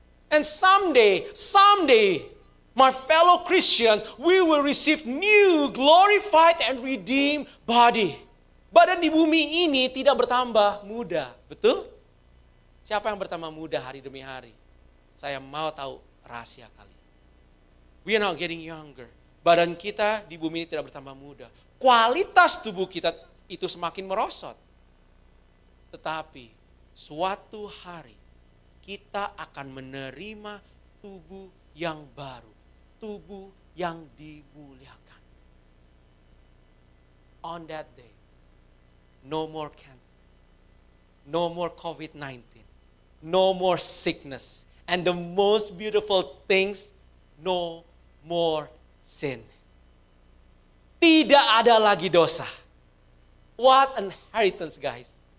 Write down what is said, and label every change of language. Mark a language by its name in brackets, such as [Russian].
[English] And someday, my fellow Christians, we will receive new, glorified, and redeemed body. [Indonesian] Badan di bumi ini tidak bertambah muda, betul? Siapa yang bertambah muda hari demi hari? Saya mau tahu rahasia kali. [English] We are not getting younger. [Indonesian] Badan kita di bumi ini tidak bertambah muda. Kualitas tubuh kita itu semakin merosot. Tetapi suatu hari kita akan menerima tubuh yang baru, tubuh yang dimuliakan. [English] On that day, no more cancer, no more COVID-19, no more sickness, and the most beautiful things, no more sin. [Indonesian] Tidak ada lagi dosa. [English] What an inheritance, guys.